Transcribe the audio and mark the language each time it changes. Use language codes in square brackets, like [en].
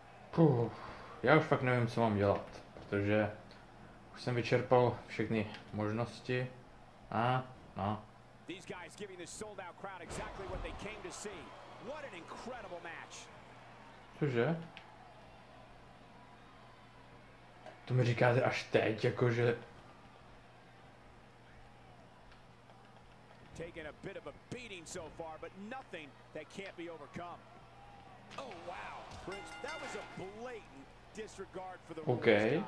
[cs] Puh, já už fakt nevím, co mám dělat, protože už jsem vyčerpal všechny možnosti a no. [en] These guys giving this sold out crowd exactly what they came to see. What an incredible match. [cs] Cože? To mi říkáte až teď, jakože... [en] Taken a bit of a beating so far, but nothing that can't be overcome. Oh wow, Prince, that was a blatant disregard for the rules, okay.